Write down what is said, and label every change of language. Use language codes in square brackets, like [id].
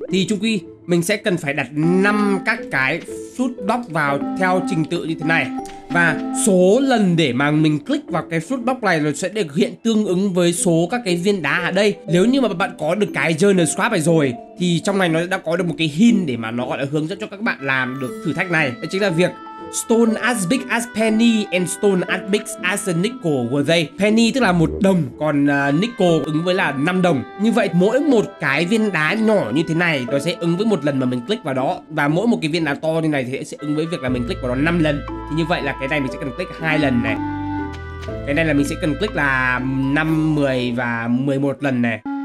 [vi] Thì chung quy mình sẽ cần phải đặt 5 các cái fruit block vào theo trình tự như thế này. Và số lần để mà mình click vào cái fruit block này nó sẽ được hiện tương ứng với số các cái viên đá ở đây. Nếu như mà bạn có được cái journal scrap này rồi, thì trong này nó đã có được một cái hint để mà nó gọi là hướng dẫn cho các bạn làm được thử thách này. Đó chính là việc [en] stone as big as penny and stone as big as a nickel were they. [vi] Penny tức là 1 đồng, còn nickel ứng với là 5 đồng. Như vậy mỗi một cái viên đá nhỏ như thế này nó sẽ ứng với một lần mà mình click vào đó, và mỗi một cái viên đá to như này thì sẽ ứng với việc là mình click vào đó 5 lần. Thì như vậy là cái này mình sẽ cần click 2 lần này, cái này là mình sẽ cần click là 5, 10 và 11 lần này.